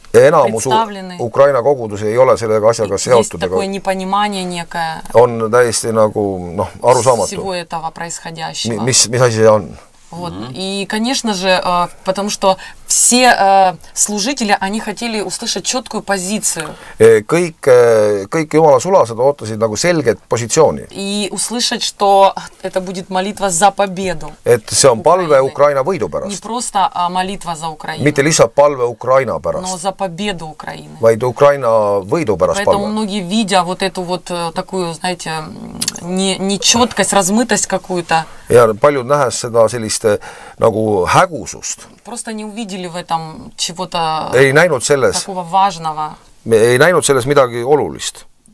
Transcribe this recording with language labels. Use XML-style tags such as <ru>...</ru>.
<et>Ja enamus Ukraina kogudusi ei ole sellega asjaga seotud.</et> <ru>Есть такое непонимание некое.</ru> <et>On täiesti nagu, noh, arusaamatu.</et> <ru>Всего этого происходящего.</ru> <et>Mis asja on?</et> <ru>Вот. И, конечно же, потому что все служители, они хотели услышать четкую позицию.</ru> <et>Kõik Jumala sulased ootasid nagu selget positsiooni.</et> <ru>И услышать, что это будет молитва за победу.</ru> <et>Et see on palve Ukraina võidu pärast.</et> <ru>Не просто молитва за Украину.</ru> <et>Mitte lihtsalt palve Ukraina pärast.</et> <ru>Но за победу Украины.</ru> <et>Vaid Ukraina võidu pärast palve.</et> <ru>Поэтому многие, видя вот эту вот такую, знаете, нечеткость, размытость какую-то.</ru> <et>Ja paljud нähes seda sellist nagu hägusust.</et> <ru>Просто не увидели в этом чего-то</ru> <et>ei näinud selles,</et> <ru>такого важного.</ru> <et>Ei näinud selles midagi olulist.</et>